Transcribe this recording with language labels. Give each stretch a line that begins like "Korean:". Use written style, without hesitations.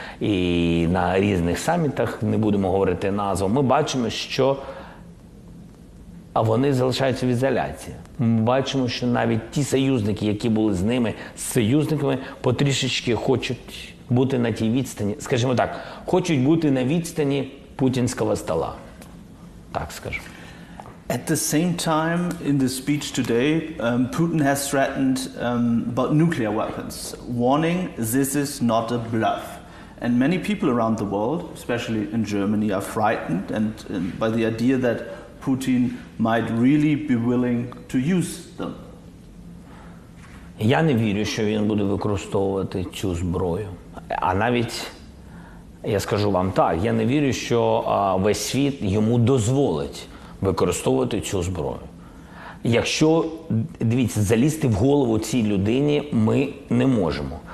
Ukrainian: І на різних самітах, не будемо говорити назву, ми бачимо, що а вони залишаються в ізоляції. Ми бачимо, що навіть ті союзники, які були з ними, з союзниками, потрішечки хочуть бути на тій відстані, скажімо так, хочуть бути на відстані путінського стола. Так скажу.
English: At the same time, in the speech today, Putin has threatened about nuclear weapons, warning this is not a bluff. And many people around the world, especially in Germany, are frightened and by the idea that Putin might really be willing to use them.
Ukrainian: Я не вірю, що він буде використовувати цю зброю. А навіть, я скажу вам так, я не вірю, що весь світ йому дозволить використовувати цю зброю. Якщо, дивіться, залізти в голову цій людині ми не можемо.